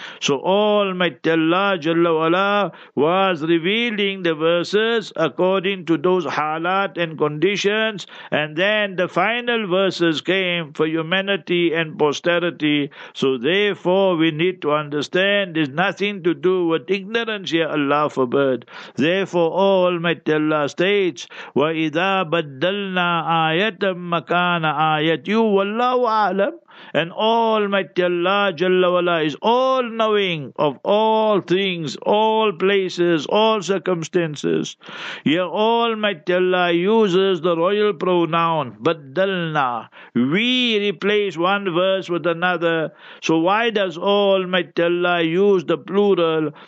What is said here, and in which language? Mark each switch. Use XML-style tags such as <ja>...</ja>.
<en>So Almighty Allah Jalla Wala was revealing the verses according to those halat and conditions, and then the final verses came for humanity and posterity. So therefore we need to understand, there's nothing to do with ignorance here, Allah forbid. Therefore, Almighty Allah states,</en> <ar>وَإِذَا بَدَّلْنَا آيَةً مَكَانَ آيَةً وَاللَّهُ أَعْلَمُ.</ar> <en>And Almighty Allah Jalla Wala is all-knowing of all things, all places, all circumstances. Here Almighty Allah uses the royal pronoun, Baddalna. We replace one verse with another. So why does Almighty Allah use the plural?</en>